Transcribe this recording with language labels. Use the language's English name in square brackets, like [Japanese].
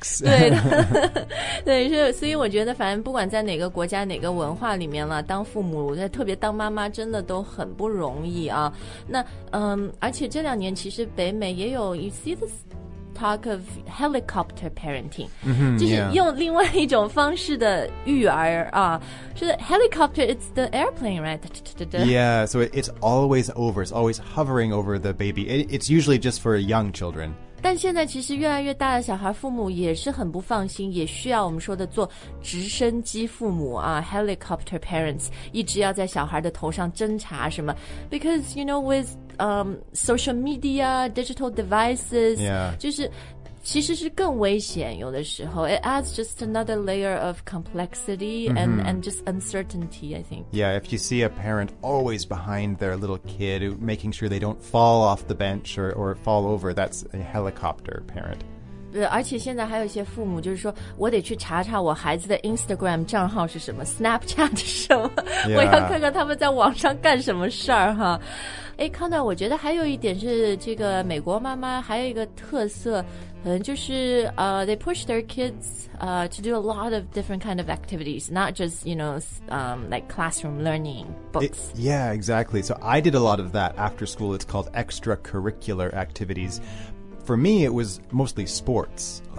[Chinese] 对, 对，所以我觉得反正不管在哪个国家哪个文化里面了，当父母特别当妈妈真的都很不容易啊。那而且这两年其实北美也有 [English] you see this talk of helicopter parenting、 mm-hmm, [Chinese] 就是用另外一种方式的育儿啊。 [English] 是 helicopter, it's the airplane, right? Yeah, so it's always over, it's always hovering over the baby. It's usually just for young children. [Chinese] 但现在其实越来越大的小孩父母也是很不放心，也需要我们说的做直升机父母啊 ，helicopter parents， 一直要在小孩的头上侦查什么 ， [English] because you know with social media, digital devices， yeah， [Chinese] 就是其实是更危险，有的时候 [English] it adds just another layer of complexity and、mm-hmm. and just uncertainty, I think. Yeah, if you see a parent always behind their little kid, making sure they don't fall off the bench or fall over, that's a helicopter parent. [Chinese] 对，而且现在还有一些父母就是说，我得去查查我孩子的 Instagram 账号是什么 ，Snapchat 是什么， [English] yeah. [Chinese] 我要看看他们在网上干什么事儿哈。哎，康道，我觉得还有一点是这个美国妈妈还有一个特色。 [English] 就是they push their kids to do a lot of different kind of activities, not just, you know, like classroom learning, books. Yeah, exactly. So I did a lot of that after school. It's called extracurricular activities. For me, it was mostly sports.